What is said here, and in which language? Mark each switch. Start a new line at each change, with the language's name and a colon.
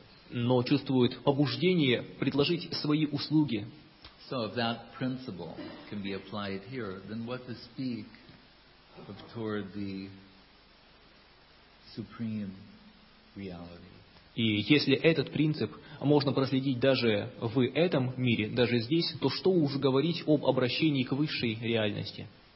Russian: Но чувствуют побуждение предложить свои услуги.
English: So if that principle can be applied here, then what to speak of toward the supreme reality?
Russian: И если этот принцип можно проследить даже в этом мире, даже здесь, то что уж говорить об обращении к высшей реальности?